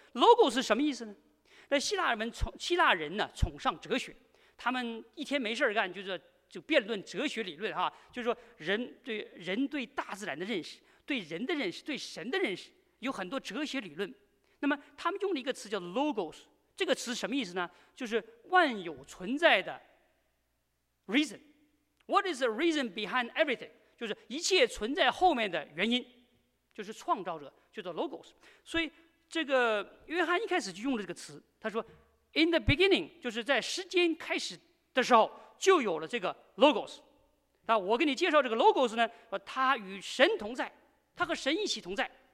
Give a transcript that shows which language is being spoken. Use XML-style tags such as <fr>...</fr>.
<zh>logos 是什么意思呢？那希腊人呢崇尚哲学，他们一天没事干，就辩论哲学理论哈，就是说人对大自然的认识，对人的认识，对神的认识，有很多哲学理论。那么他们用了一个词叫 logos， 这个词什么意思呢？就是万有存在的 reason。</zh> <en>What is the reason behind everything？</en> <zh>就是一切存在后面的原因，就是创造者，就叫 logos。所以这个约翰一开始就用了这个词，他说</zh> <en>in the beginning，</en> <zh>就是在时间开始的时候就有了这个 logos。那我给你介绍这个 logos 呢，他与神同在，他和神一起同在。</zh>